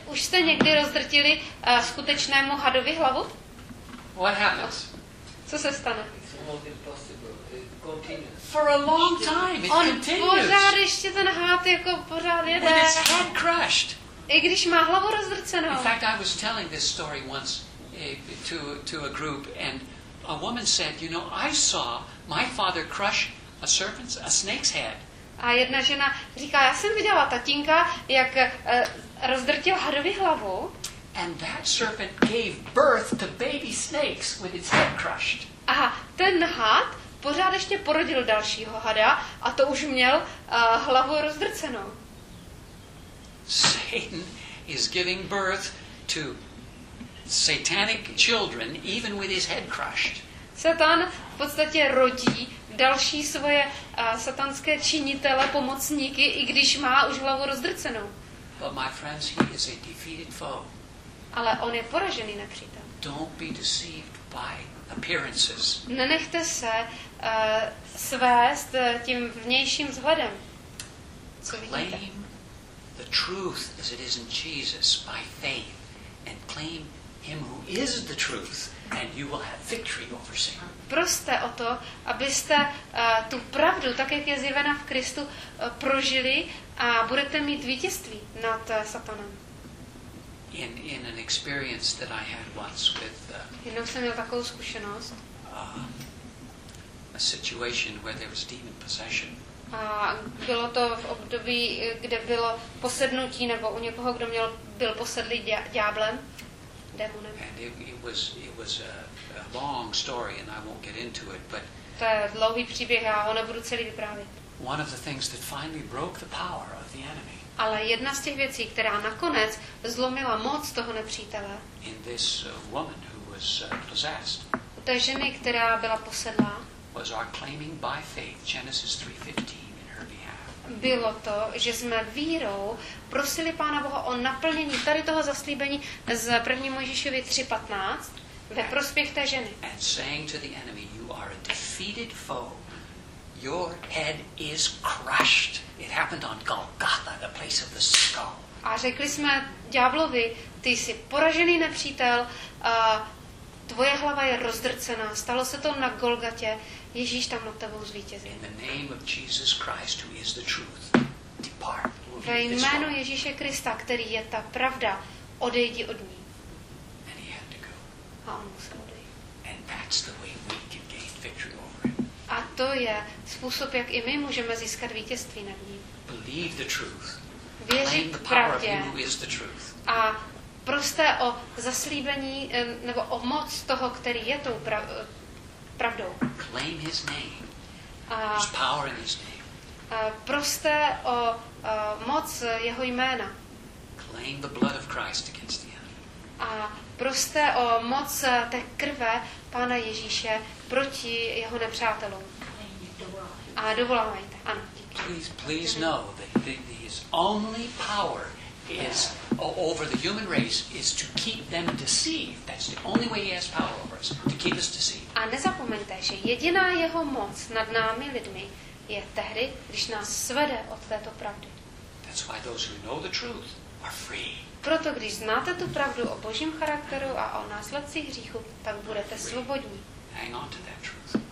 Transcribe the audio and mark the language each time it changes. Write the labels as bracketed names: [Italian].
[Czech] Už jste někdy rozdrtili skutečnému hadovi hlavu? [English] What happens? [Czech] Co se stane? [English] It's almost impossible. It continues. For a long time, it [Czech] on [English] continues. [Czech] On pořád ještě ten hád jako pořád jede. [English] When it's head crushed. [Czech] I když má hlavu rozdrcenou. [English] In fact, I was telling this story once to a group, and a woman said, you know, I saw my father crush a snake's head. [Czech] A jedna žena říká, já jsem viděla tatínka, jak rozdrtil hadovi hlavu. [English] And that serpent gave birth to baby snakes with its head crushed. [Czech] A ten had pořád ještě porodil dalšího hada a to už měl hlavu rozdrcenou. [English] Satan is giving birth to satanic children even with his head crushed. [Czech] Satan v podstatě rodí další svoje satanské činitele, pomocníky, i když má už hlavu rozdrcenou. [English] But my friends, he is a defeated foe. [Czech] Ale on je poražený nepřítel. [English] Don't be deceived by appearances. [Czech] Nenechte se svést tím vnějším vzhledem. Co vidíte? [English] Claim the truth as it is in Jesus by faith and claim him who is the truth and you will have victory over sin. [Czech] Proste o to, abyste tu pravdu, tak jak je zjevena v Kristu, prožili a budete mít vítězství nad Satanem. [English] In an experience that I had once with [Czech] jednou jsem měl takovou zkušenost. [English] A situation where there was demon possession. [Czech] A bylo to v období, kde bylo posednutí nebo u někoho, kdo měl byl posedlý ďáblem, démonem. [English] And it was a long story and I won't get into it, but [Czech] to je dlouhý příběh, já ho nebudu celý vyprávět. [English] One of the things that finally broke the power of the enemy. [Czech] Ale jedna z těch věcí, která nakonec zlomila moc toho nepřítele, [English] in this woman who was possessed, [Czech] té ženy, která byla posedlá, [English] was our claiming by faith, Genesis 3:15, in her behalf. [Czech] Bylo to, že jsme vírou prosili Pána Boha o naplnění tady toho zaslíbení z 1. Mojžíšovi 3:15 ve prospěch té ženy. [English] And saying to the enemy, you are a defeated foe. Your head is crushed. It happened on Golgotha, the place of the skull. [Czech] A řekli jsme ďáblovi, ty jsi poražený nepřítel, tvoje hlava je rozdrcená. Stalo se to na Golgatě. Ježíš tam nad tebou zvítězil. [English] In the name of Jesus Christ, who is the truth, depart. [Czech] Ve jménu Ježíše Krista, který je ta pravda, odejdi od ní. [English] And he had to go. [Czech] A on musel odejít. [English] And that's the way we can gain victory. [Czech] A to je způsob, jak i my můžeme získat vítězství nad ním. [English] Believe the truth. [Czech] Věřit pravdě. A prosté o zaslíbení nebo o moc toho, který je tou pravdou. [English] Claim his name. His power in his name. [Czech] Prosté o moc jeho jména. [English] Claim the blood of Christ against the enemy. [Czech] A prosté o moc té krve Pána Ježíše proti jeho nepřátelům. A dovolávajte. Ano. Díky. [English] Please, please know that his only power is over the human race is to keep them deceived. That's the only way he has power over us, to keep us deceived. [Czech] A nezapomeňte, že jediná jeho moc nad námi lidmi je tehdy, když nás svede od této pravdy. [English] That's why those who know the truth are free. [Czech] Proto když znáte tu pravdu o Božím charakteru a o následcích hříchu, tak budete svobodní. [English] Hang on to that truth.